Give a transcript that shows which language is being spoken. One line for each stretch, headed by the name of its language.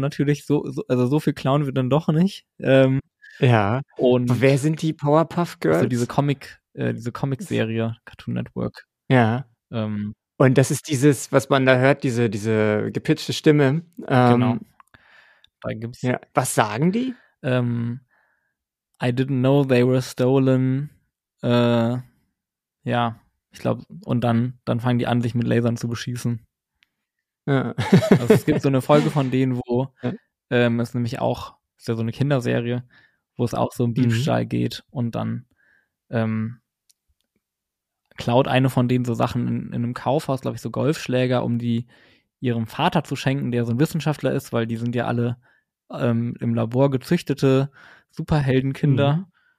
German: Natürlich, so viel klauen wir dann doch nicht. Ja, und wer sind die Powerpuff Girls? Also diese Comic-Serie, Cartoon Network. Ja, und das ist dieses, was man da hört, diese gepitchte Stimme. Genau. Da gibt's, ja. Was sagen die?
English: I didn't know they were stolen.
German: Ich glaube, und dann fangen die an, sich mit Lasern zu beschießen. Ja. Also es gibt so eine Folge von denen, wo es nämlich auch, ist ja so eine Kinderserie, wo es auch so um Diebstahl geht und dann klaut eine von denen so Sachen in einem Kaufhaus, glaube ich, so Golfschläger, um die ihrem Vater zu schenken, der so ein Wissenschaftler ist, weil die sind ja alle im Labor gezüchtete Superheldenkinder.